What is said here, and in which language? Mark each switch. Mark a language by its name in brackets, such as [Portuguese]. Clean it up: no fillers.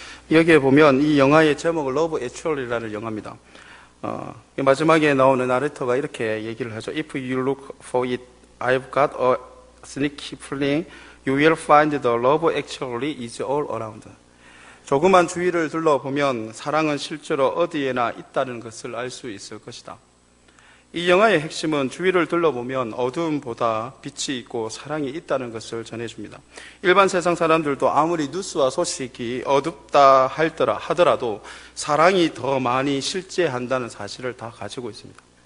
[Korean] Here, 보면 이 영화의 제목은 Love Actually라는 영화입니다. 마지막에 나오는 나레이터가 이렇게 얘기를 하죠. [English] If you look for it, I've got a sneaky feeling. You will find the love actually is all around. [Korean] 조그만 주위를 둘러보면 사랑은 실제로 어디에나 있다는 것을 알 수 있을 것이다. 이 영화의 핵심은 주위를 둘러보면 어둠보다 빛이 있고 사랑이 있다는 것을 전해줍니다. 일반 세상 사람들도 아무리 뉴스와 소식이 어둡다 하더라도 사랑이 더 많이 실재한다는 사실을 다 가지고 있습니다.